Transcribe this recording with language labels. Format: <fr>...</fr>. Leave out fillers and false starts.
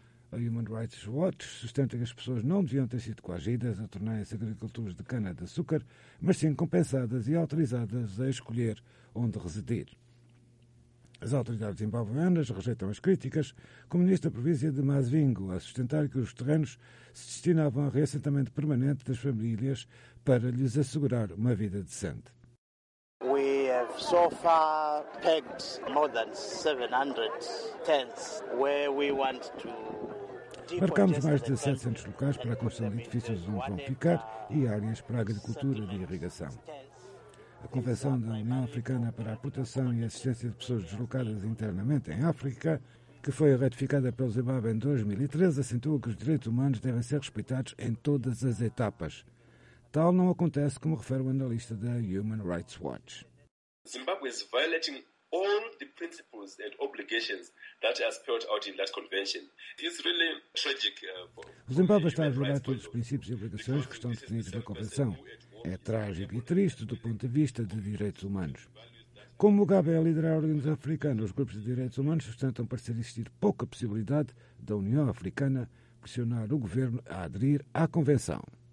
<pt>A Human Rights Watch sustenta que as pessoas não deviam ter sido coagidas a tornarem-se agricultores de cana-de-açúcar, mas sim compensadas e autorizadas a escolher onde residir. As autoridades zimbabuanas rejeitam as críticas, como ministro da província de Mazvingo, a sustentar que os terrenos se destinavam a reassentamento permanente das famílias para lhes assegurar uma vida decente.</pt> <en>So far pegged more than 700 tents where we want to.</en> <pt>Marcamos mais de 700 locais para a construção de edifícios onde vão ficar e áreas para a agricultura e irrigação. A Convenção da União Africana para a Proteção e Assistência de Pessoas Deslocadas Internamente em África, que foi ratificada pelo Zimbábue em 2013, acentua que os direitos humanos devem ser respeitados em todas as etapas. Tal não acontece, como refere o analista da Human Rights Watch.</pt> <en>Zimbabwe is violating all the principles and obligations that are spelled out in that convention. It's really tragic.</en> <pt>O Zimbábue está a violar todos os princípios e obrigações que estão definidos na convenção. É trágico e triste do ponto de vista de direitos humanos. Como Mugabe é a liderar a organização africana, os grupos de direitos humanos sustentam parecer existir pouca possibilidade da União Africana pressionar o governo a aderir à convenção.</pt>